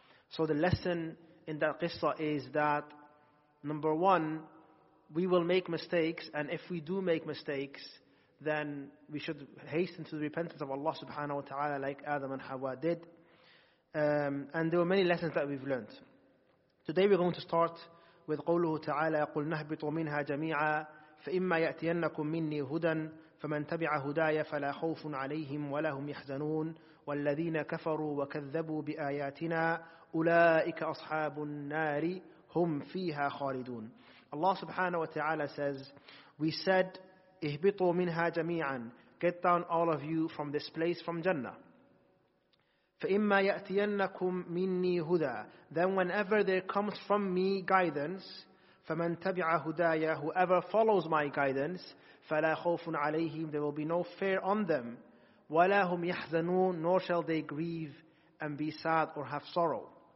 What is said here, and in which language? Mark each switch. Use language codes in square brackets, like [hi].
[en] So the lesson in that qissah is that, number one, we will make mistakes, and if we do make mistakes, then we should hasten to the repentance of Allah subhanahu wa ta'ala like Adam and Hawa did. And there were many lessons that we've learned. Today we're going to start with [ar] قوله تعالى قُلْ نَهْبِطُ مِنْهَا جَمِيعًا فَإِمَّا يَأْتِيَنَّكُمْ مِنِّي هُدًى فَمَنْ تَبِعَ هُدَايَ فَلَا خَوْفٌ عَلَيْهِمْ وَلَا هُمْ يَحْزَنُونَ وَالَّذِينَ كَفَرُوا وَكَذَّبُوا بِآيَاتِنَا أُولَٰئِكَ أَصْحَابُ النَّارِ هُمْ فِيهَا خَالِدُونَ. [en] Allah subhanahu wa ta'ala says, we said, [ar] اهبطوا منها جميعا, [en] get down all of you from this place, from Jannah. [ar] فإما يأتينكم مني هدى, [en] then whenever there comes from me guidance, [ar] فمن تبع هدايا, [en] whoever follows my guidance, [ar] فلا خوف عليهم, [en] there will be no fear on them, [ar] ولا هم يحزنون, [en] nor shall they grieve and be sad or have sorrow.